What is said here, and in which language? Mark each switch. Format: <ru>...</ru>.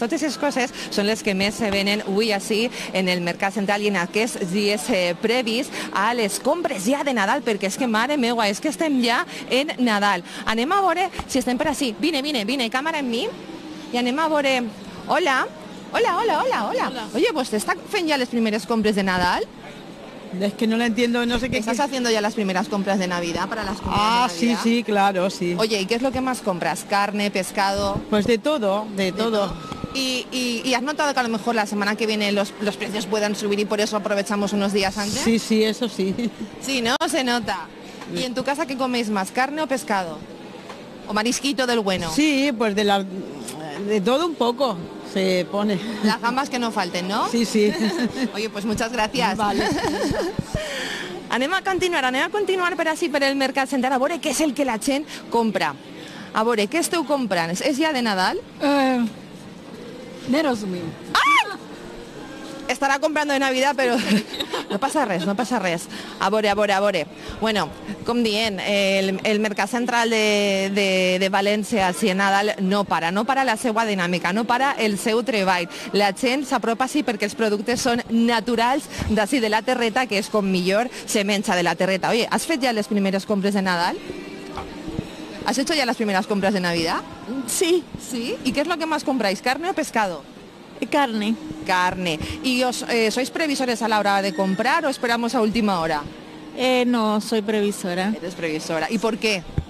<ca>Totes aquestes coses són les que més se venen avui així en el Mercat Central i en aquests dies previs a les compres ja de Nadal, perquè és que, mare meva, és que estem ja en Nadal. Anem a veure si estem per així. Vine, vine, vine, càmera en mi. I anem a veure... Hola, hola, hola, hola, hola. Oye, ¿vostè està fent ja les primeres compres de Nadal?</ca> <es>Es que no la entiendo, no sé qué. ¿Estás haciendo ya las primeras compras de Navidad para las comidas? Ah, de Navidad? Sí, sí, claro, sí. Oye, ¿y qué es lo que más compras? ¿Carne, pescado? Pues de todo, de todo. ¿Y has notado que a lo mejor la semana que viene los precios puedan subir y por eso aprovechamos unos días antes? Sí, sí, eso sí. Sí, ¿no? Se nota. ¿Y en tu casa qué coméis más? ¿Carne o pescado? ¿O marisquito del bueno? Sí, pues de la. De todo un poco. Se pone. Las gambas que no falten, ¿no? Sí, sí. Oye, pues muchas gracias. Vale.</es> <ca>Anem a continuar per así, per el Mercat Central. A veure, ¿qué es el que la gent compra? A veure, ¿qué esteu comprant? ¿Es ya de Nadal?</ca> <cs>Nerozumim. ¡Ah!</cs> <es>Estará comprando de Navidad, pero</es> <ca>no pasa res, no pasa res. A veure. Bueno, com dient, el Mercat Central de València, si en Nadal, no para la seua dinàmica, no para el seu treball. La gent s'apropa així perquè els productes són naturals d'ací de la terreta, que és com millor se menja de la terreta. Oye, ¿has fet ja les primeres compres de Nadal?</ca> <es>¿Has hecho ya las primeras compras de Navidad? Sí. ¿Sí? ¿Y qué es lo que más compráis, carne o pescado? Carne. Carne. ¿Y sois previsores a la hora de comprar o esperamos a última hora? No, soy previsora. Eres previsora. ¿Y por qué?</es>